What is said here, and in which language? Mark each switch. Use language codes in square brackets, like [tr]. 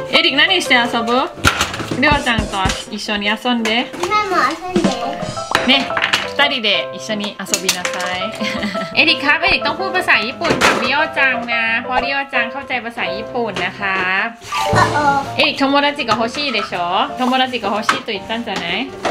[ja] エリック何して遊ぶ？リオちゃんと一緒に遊んで。今も遊んで。ね、二人で一緒に遊びなさい。 [th] エリック、エリック、ต้องพูดภาษาญี่ปุ่นกับリオちゃんนะ。เพราะリオちゃんเข้าใจภาษาญี่ปุ่นนะคะ。 [ja] エリック、友達が欲しいでしょ？友達が欲しいと言ったんじゃない？